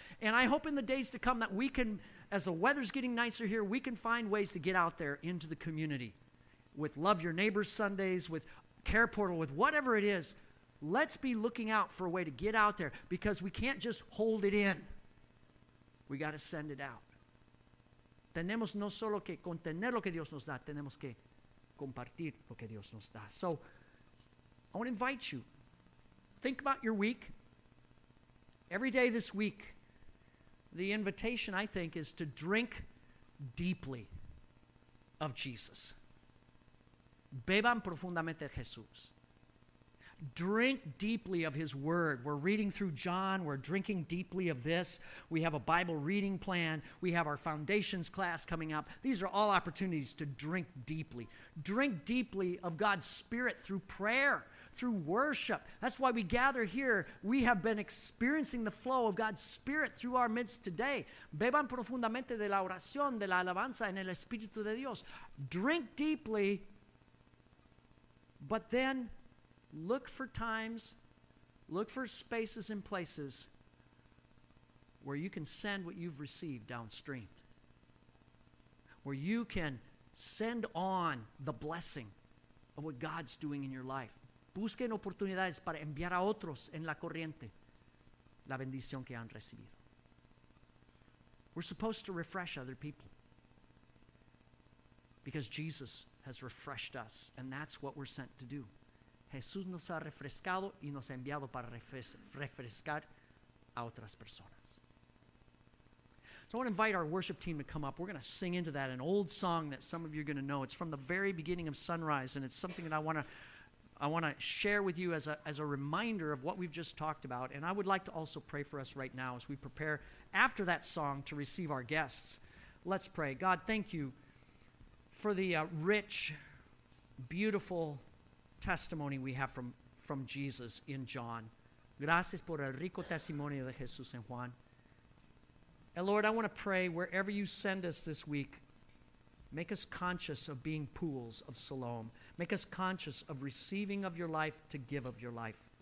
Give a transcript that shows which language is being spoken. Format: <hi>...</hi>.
<en>And I hope in the days to come that we can, as the weather's getting nicer here, we can find ways to get out there into the community with Love Your Neighbor Sundays, with Care Portal, with whatever it is. Let's be looking out for a way to get out there, because we can't just hold it in. We got to send it out.</en> <es>Tenemos no solo que contener lo que Dios nos da, tenemos que compartir lo que Dios nos da.</es> <en>So, I want to invite you. Think about your week. Every day this week, the invitation, I think, is to drink deeply. of Jesus.</en> <es>Beban profundamente de Jesús.</es> <en>Drink deeply of his word. We're reading through John. We're drinking deeply of this. We have a Bible reading plan. We have our foundations class coming up. These are all opportunities to drink deeply. Drink deeply of God's spirit through prayer, through worship. That's why we gather here. We have been experiencing the flow of God's spirit through our midst today.</en> <es>Beban profundamente de la oración, de la alabanza en el Espíritu de Dios.</es> <en>Drink deeply, but then look for times, look for spaces and places where you can send what you've received downstream, where you can send on the blessing of what God's doing in your life.</en> <es>Busquen oportunidades para enviar a otros en la corriente la bendición que han recibido.</es> <en>We're supposed to refresh other people because Jesus has refreshed us, and that's what we're sent to do.</en> <es>Jesús nos ha refrescado y nos ha enviado para refrescar a otras personas.</es> <en>So I want to invite our worship team to come up. We're going to sing into that an old song that some of you are going to know. It's from the very beginning of Sunrise, and it's something that I want to share with you as a reminder of what we've just talked about. And I would like to also pray for us right now as we prepare after that song to receive our guests. Let's pray. God, thank you for the rich, beautiful testimony we have from Jesus in John.</en> <es>Gracias por el rico testimonio de Jesús en Juan.</es> <en>And Lord, I want to pray wherever you send us this week, make us conscious of being pools of Siloam. Make us conscious of receiving of your life to give of your life.</en>